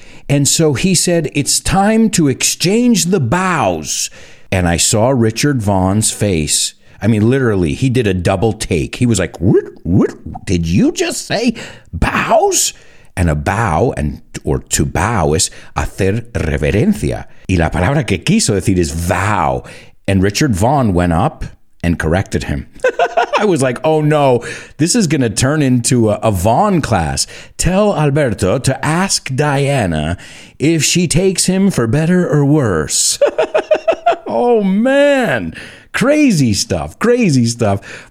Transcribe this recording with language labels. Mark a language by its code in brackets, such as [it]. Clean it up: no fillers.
[en] And so he said, it's time to exchange the vows. And I saw Richard Vaughn's face. I mean, literally, he did a double take. He was like, what, did you just say bows? And a bow, and or to bow, is [es] hacer reverencia. Y la palabra que quiso decir [en] is vow. And Richard Vaughn went up and corrected him. I was like, oh no, this is going to turn into a Vaughn class. Tell Alberto to ask Diana if she takes him for better or worse. Oh man. Crazy stuff.